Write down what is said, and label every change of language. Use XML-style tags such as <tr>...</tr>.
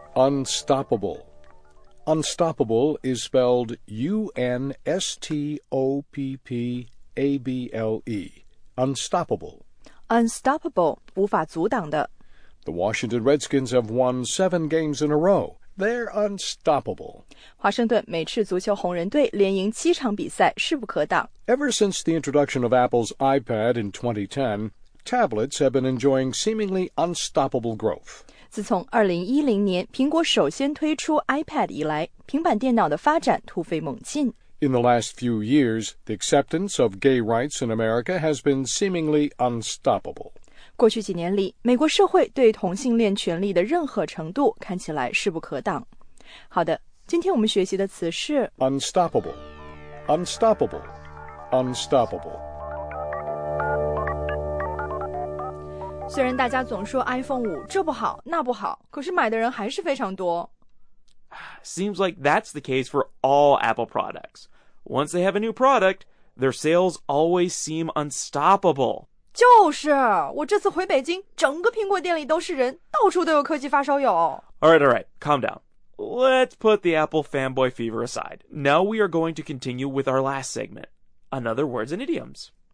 <en>Unstoppable. Unstoppable is spelled U-N-S-T-O-P-P-A-B-L-E. Unstoppable.</en> <zh>Unstoppable, 无法阻挡的。</zh> <en>The Washington Redskins have won 7 games in a row. They're unstoppable.</en> <zh>华盛顿美式足球红人队连赢七场比赛势不可挡。</zh> <en>Ever since the introduction of Apple's iPad in 2010, tablets have been enjoying seemingly unstoppable growth.</en> <zh>自从2010年苹果首先推出 iPad 以来，平板电脑的发展突飞猛进。</zh> <en>In the last few years, the acceptance of gay rights in America has been seemingly unstoppable.</en> <zh>过去几年里，美国社会对同性恋权利的认可程度看起来势不可挡。好的，今天我们学习的词是</zh> <en>unstoppable, unstoppable, unstoppable.</en> <zh>虽然大家总说 iPhone 5这不好那不好，可是买的人还是非常多。</zh> <en>Seems like that's the case for all Apple products. Once they have a new product, their sales always seem unstoppable.</en> <zh>就是，我这次回北京，整个苹果店里都是人，到处都有科技发烧友。</zh> <en>All right, calm down. Let's put the Apple fanboy fever aside. Now we are going to continue with our last segment, another words and idioms.</en>